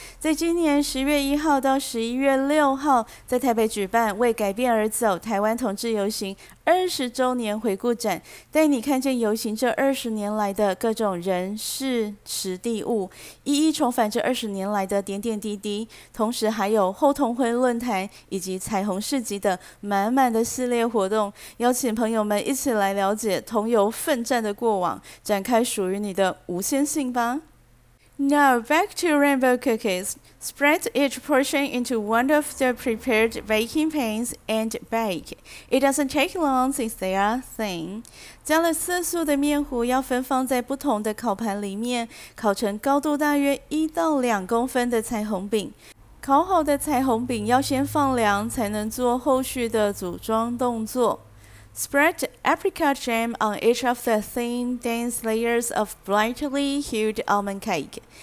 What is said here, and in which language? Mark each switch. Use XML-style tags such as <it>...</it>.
<zh>在今年10月1号到11月6号在台北举办为改变而走台湾同志游行20周年回顾展，带你看见游行这20年来的各种人事实地物，一一重返这20年来的点点滴滴，同时还有后同会论坛以及彩虹市集等满满的系列活动，邀请朋友们一起来了解同游奋战的过往，展开属于你的无限性吧。</zh> <en>Now back to rainbow cookies. Spread each portion into one of the prepared baking pans and bake. It doesn't take long since they are thin.</en> <zh>加了色素的面糊要分放在不同的烤盘里面，烤成高度大约1到2公分的彩虹饼。烤好的彩虹饼要先放凉，才能做后续的组装动作。</zh> <en>Spread apricot jam on each of the thin, dense layers of brightly hued almond cake.</en>